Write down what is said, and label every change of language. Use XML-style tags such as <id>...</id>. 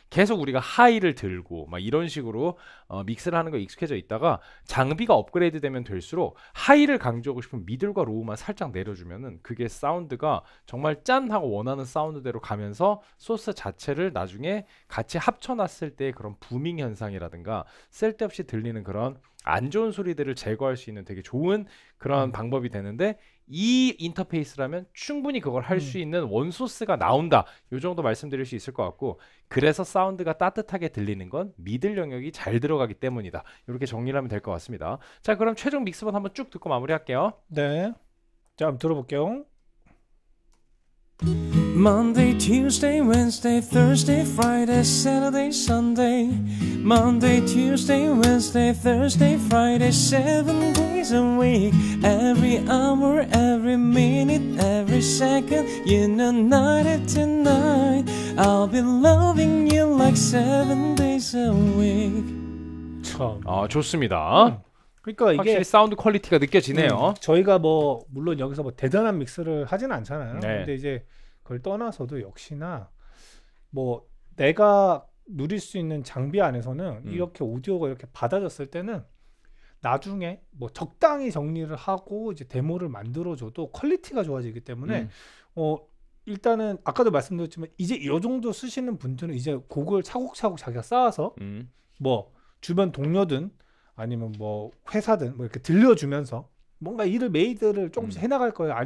<ko>계속 우리가 하이를 들고 막 이런 식으로 믹스를 하는 거 익숙해져 있다가 장비가 업그레이드 되면 될수록 하이를 강조하고 싶은 미들과 로우만 살짝 내려주면은 그게 사운드가 정말 짠하고 원하는 사운드대로 가면서 소스 자체를 나중에 같이 합쳐놨을 때 그런 부밍 현상이라든가 쓸데없이 들리는 그런 안 좋은 소리들을 제거할 수 있는 되게 좋은 그런 방법이 되는데 이 인터페이스라면 충분히 그걸 할수 있는 원소스가 나온다. 요 정도 말씀드릴 수 있을 것 같고, 그래서 사운드가 따뜻하게 들리는 건 미들 영역이 잘 들어가기 때문이다. 이렇게 정리를 하면 될것 같습니다. 자, 그럼 최종 믹스본 한번 쭉 듣고 마무리할게요. 네. 자, 한번 들어볼게요.</ko> <en>Monday, Tuesday, Wednesday, Thursday, Friday, Saturday, Sunday. Monday, Tuesday, Wednesday, Thursday, Friday, 7 days a week. Every hour, every minute, every second, you know, night and tonight. I'll be loving you like 7 days a week.</en> <ko>참. 아, 좋습니다. 그러니까 확실히 이게 사운드 퀄리티가 느껴지네요. 저희가 뭐 물론 여기서 뭐 대단한 믹스를 하진 않잖아요. 네. 근데 이제 그걸 떠나서도 역시나 뭐 내가 누릴 수 있는 장비 안에서는 이렇게 오디오가 이렇게 받아졌을 때는 나중에 뭐 적당히 정리를 하고 이제 데모를 만들어줘도 퀄리티가 좋아지기 때문에 일단은 아까도 말씀드렸지만 이제 이 정도 쓰시는 분들은 이제 곡을 차곡차곡 자기가 쌓아서 뭐 주변 동료든 아니면 뭐 회사든 뭐 이렇게 들려주면서 뭔가 일을 메이드를 조금씩 해나갈 거예요.</ko>